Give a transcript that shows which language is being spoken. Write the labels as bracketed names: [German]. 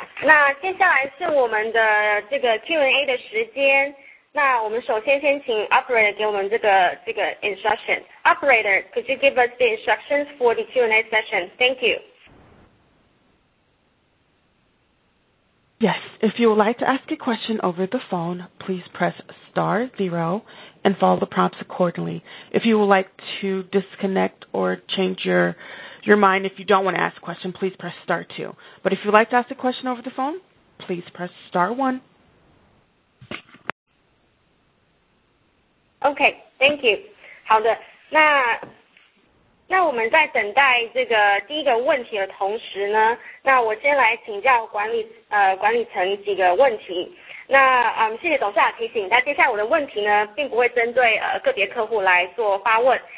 [Chinese] 那接下来是我们的这个 Q&A 的时间。那我们首先请 operator 给我们这个 instruction. [English] Operator, could you give us the instructions for the Q&A session? Thank you. Yes, if you would like to ask a question over the phone, please press *0 and follow the prompts accordingly. If you would like to disconnect or change your mind, if you don't want to ask a question, please press *2. But if you'd like to ask a question over the phone, please press *1. Okay, thank you. [Chinese] 好的，那我们在等待这个第一个问题的同时呢，那我先来请教管理层几个问题。那谢谢董事长提醒。那接下来我的问题呢，并不会针对个别客户来做发问。